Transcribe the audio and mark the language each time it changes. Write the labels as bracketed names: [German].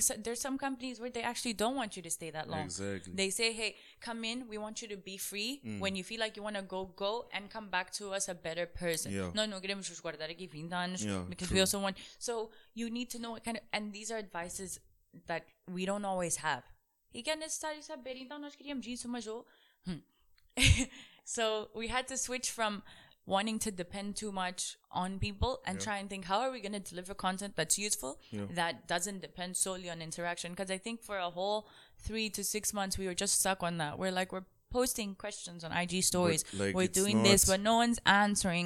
[English] So there's some companies where they actually don't want you to stay that long. Exactly. They say, hey, come in. We want you to be free. When you feel like you want to go, go and come back to us a better person. No, [Portuguese] no, queremos nos guardar aqui 20 anos. [English] Because we also want... So you need to know what kind of... And these are advices that we don't always have. [Portuguese] E que é necessário saber, então nós queríamos isso, mas eu... [English] So, we had to switch from wanting to depend too much on people and try and think, how are we going to deliver content that's useful, that doesn't depend solely on interaction? Because I think for a whole 3 to 6 months, we were just stuck on that. We're like, we're posting questions on IG stories. But, like, we're doing this, but no one's answering.